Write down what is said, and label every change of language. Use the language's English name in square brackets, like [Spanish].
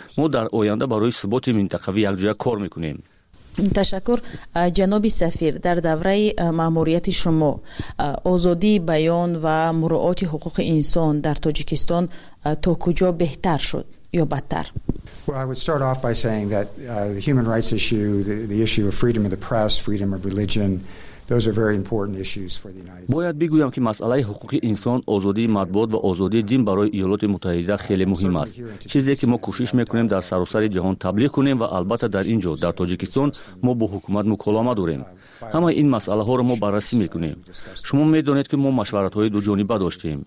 [Persian] ما در آینده برای ثبات منطقه یکجایی کار می‌کنیم. تشکر. جناب سفیر، در دوره ماموریت شما آزادی بیان و مراعات حقوق انسان در تاجیکستان تا کجا بهتر شد یا بدتر؟ [English] I would start off by saying that the human rights issue, the issue of freedom of the press, freedom of religion, those are very important issues for the United States. [Persian] باید بگویم که مسئله حقوق انسان، آزادی مطبوعات و آزادی دین برای ایالات متحده خیلی مهم است. چیزی که ما کوشش میکنیم در سراسر جهان تبلیغ کنیم و البته در اینجا در تاجیکستان ما با حکومت مکالمه داریم. همه این مسئله ها را ما بررسی میکنیم. شما میدونید که ما مشورت های دو جانبه داشتیم.